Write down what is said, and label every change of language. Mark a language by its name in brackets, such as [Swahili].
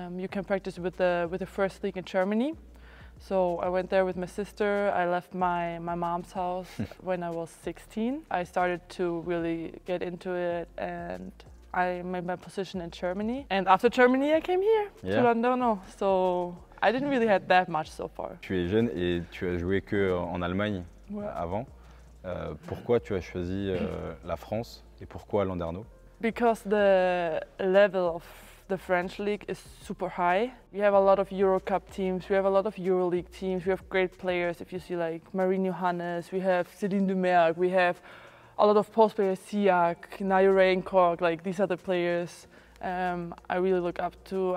[English] You can practice with the first league in Germany. So I went there with my sister. I left my mom's house when I was 16. I started to really get into it and I made my position in Germany. And after Germany, I came here to Landerneau. So I didn't really have that much so far. [French] Tu es jeune et tu as joué que en Allemagne avant. Pourquoi tu as choisi la France et pourquoi Landerneau? [English] Because the level of the French league is super high. We have a lot of Euro Cup teams, we have a lot of Euro League teams, we have great players. If you see like Marine Johannes, we have Céline Dumerc, we have a lot of post players, Siak, Nayo Reinkorg, like these are the players I really look up to.